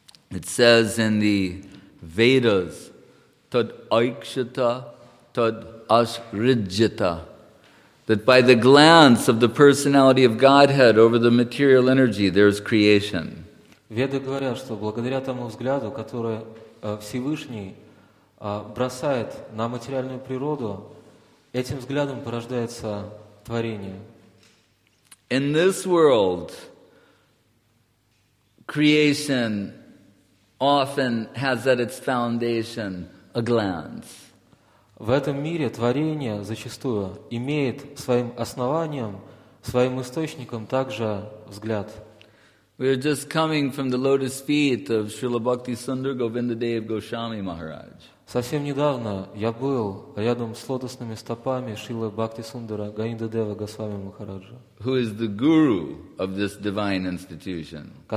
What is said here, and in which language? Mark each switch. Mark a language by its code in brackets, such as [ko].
[en] It says in the Vedas, tad aikshita, tad asrijita, that by the glance of the personality of Godhead over the material energy, there is creation. [ru] Веды говорят, что благодаря тому взгляду, который Всевышний бросает на материальную природу, этим взглядом порождается творение. [en] In this world, creation often has at its foundation a glance. [ru] В этом мире творение зачастую имеет своим основанием, своим источником также взгляд. [en] We are just coming from the lotus feet of Srila Bhakti Sundar Govindadev Goswami Maharaj. [ru] Совсем недавно я был рядом с лотосными стопами Шрилы Бхакти Сундара Говиндадева Госвами Махараджа, [en] who is the guru of this divine institution,